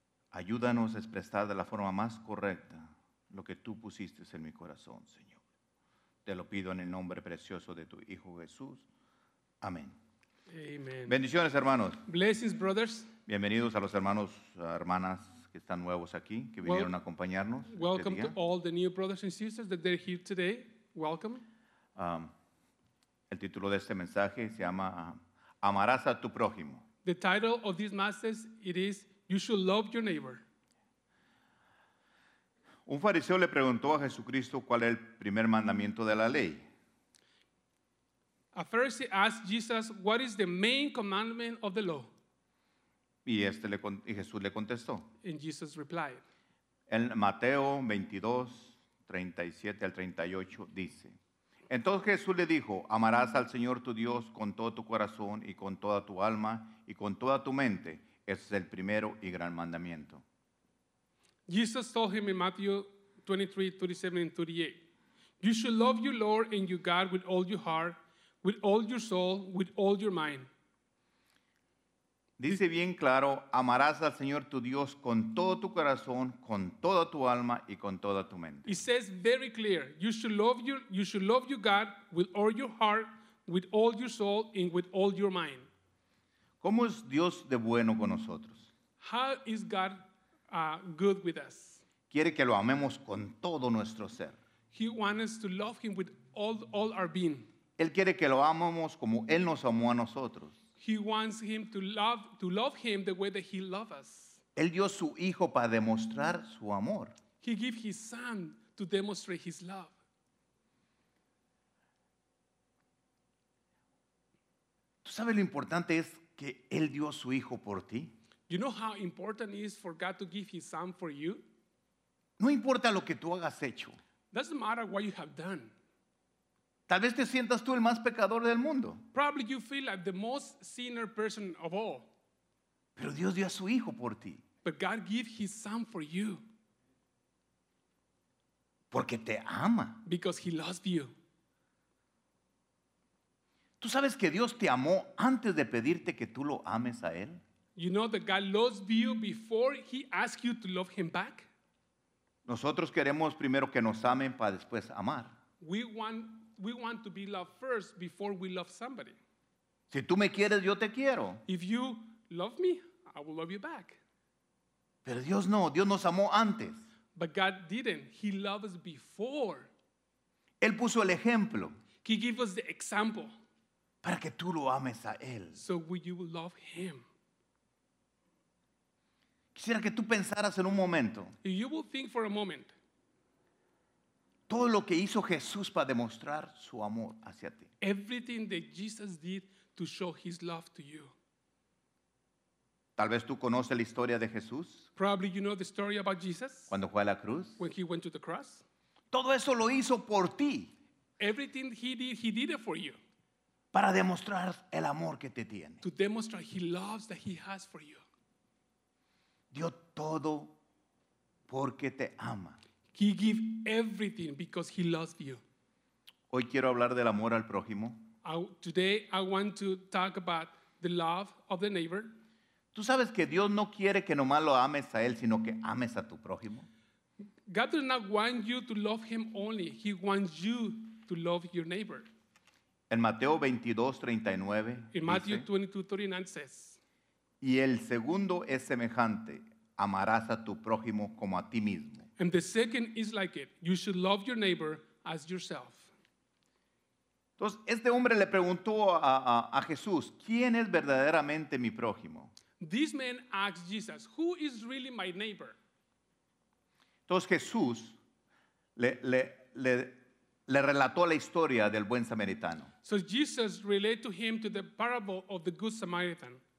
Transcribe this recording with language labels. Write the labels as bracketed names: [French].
[Spanish] Ayúdanos a expresar de la forma más correcta lo que tú pusiste en mi corazón, Señor. Te lo pido en el nombre precioso de tu Hijo Jesús. Amén. [English] Amen. [Spanish] Bendiciones, hermanos. [English] Blessings, brothers. [Spanish] Bienvenidos a los hermanos, hermanas que están nuevos aquí, que vinieron a acompañarnos. [English] Welcome to all the new brothers and sisters that they're here today. Welcome. [Spanish] El título de este mensaje se llama Amarás a tu prójimo. [English] The title of this message, it is You Should Love Your Neighbor. [Spanish] Un fariseo le preguntó a Jesucristo cuál es el primer mandamiento de la ley. [English] A Pharisee asked Jesus, what is the main commandment of the law? [Spanish] Y Jesús le contestó. [English] And Jesus replied. [Spanish] En Mateo 22, 37 al 38 dice, entonces Jesús le dijo, amarás al Señor tu Dios con todo tu corazón y con toda tu alma y con toda tu mente. Ese es el primero y gran mandamiento. [English] Jesus told him in Matthew 23, 37 and 38, you should love your Lord and your God with all your heart, with all your soul, with all your mind. [Spanish] Dice bien claro, amarás al Señor tu Dios con todo tu corazón, con toda tu alma y con toda tu mente. [English] It says very clear, you should love your God with all your heart, with all your soul and with all your mind. [Spanish] ¿Cómo es Dios de bueno con nosotros? [English] How is God good with us? [Spanish] Quiere que lo amemos con todo nuestro ser. [English] He wants us to love him with all our being. [Spanish] Él quiere que lo amemos como él nos amó a nosotros. [English] He wants him to love him the way that he loves us. [Spanish] Él dio su hijo para demostrar su amor. [English] He gave his son to demonstrate his love. [Spanish] ¿Tú sabes lo importante es que él dio su hijo por ti? [English] You know how important it is for God to give his son for you? [Spanish] No importa lo que tú hagas hecho. [English] Doesn't matter what you have done. [Spanish] Tal vez te sientas tú el más pecador del mundo. [English] Probably you feel like the most sinner person of all. [Spanish] Pero Dios dio a su hijo por ti. [English] But God gave his son for you. [Spanish] Porque te ama. [English] Because he loves you. [Spanish] ¿Tú sabes que Dios te amó antes de pedirte que tú lo ames a él? [English] You know that God loves you before he asks you to love him back? [Spanish] Nosotros queremos primero que nos amen para después amar. [English] We want to be loved first before we love somebody. [Spanish] Si tú me quieres, yo te quiero. [English] If you love me, I will love you back. [Spanish] Pero Dios no, Dios nos amó antes. [English] But God didn't. He loved us before. [Spanish] Él puso el ejemplo. [English] He gave us the example. [Spanish] Para que tú lo ames a él. [English] So you will love him. [Spanish] Quisiera que tú pensaras en un momento. [English] You will think for a moment. [Spanish] Todo lo que hizo Jesús para demostrar su amor hacia ti. [English] Everything that Jesus did to show his love to you. [Spanish] Tal vez tú conoces la historia de Jesús. [English] Probably you know the story about Jesus. [Spanish] Cuando fue a la cruz. [English] When he went to the cross. [Spanish] Todo eso lo hizo por ti. [English] Everything he did it for you. [Spanish] Para demostrar el amor que te tiene. [English] To demonstrate the love that he has for you. [Spanish] Dio todo porque te ama. [English] He gave everything because he loves you. [Spanish] Hoy quiero hablar del amor al prójimo. [English] Today I want to talk about the love of the neighbor. [Spanish] Tú sabes que Dios no quiere que nomás lo ames a él, sino que ames a tu prójimo. [English] God does not want you to love him only. He wants you to love your neighbor. [Spanish] En Mateo 22:39. [English] In Matthew 22:39 says. [Spanish] Y el segundo es semejante, amarás a tu prójimo como a ti mismo. [English] And the second is like it, you should love your neighbor as yourself. [Spanish] Entonces, este hombre le preguntó a Jesús, ¿quién es verdaderamente mi prójimo? [English] This man asked Jesus, who is really my neighbor? [Spanish] Entonces, Jesús le relató la historia del buen samaritano. [English] So Jesus related to him to the parable of the good Samaritan.